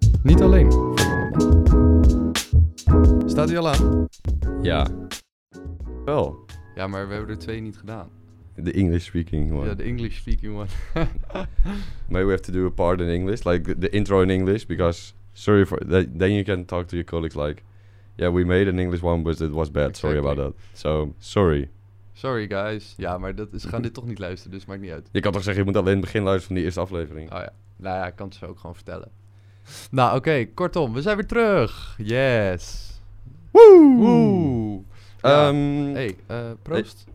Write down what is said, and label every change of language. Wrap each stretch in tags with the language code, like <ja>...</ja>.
<nl>Niet alleen voor jonge mannen. Staat hij al aan? Ja. Wel. Ja, maar we hebben er twee niet gedaan.</nl> <en>De English speaking one.</en> <nl>Ja, de</nl> <en>English speaking one. Maybe we have to do a part in English, like the intro in English, because sorry for that, then you can talk to your colleagues like, yeah, we made an English one, but it was bad. Exactly. Sorry about that. So, sorry. Sorry guys.</en> <nl>Ja, maar dat is, ze gaan dit toch niet luisteren, dus maakt niet uit. Je kan toch zeggen, je moet alleen het begin luisteren van die eerste aflevering. Oh ja. Nou ja, ik kan het ze ook gewoon vertellen. Nou, oké, okay, kortom, we zijn weer terug.</nl> <en>Yes. Woe! Woe!</en> <nl>Ja. Hey, proost.</nl>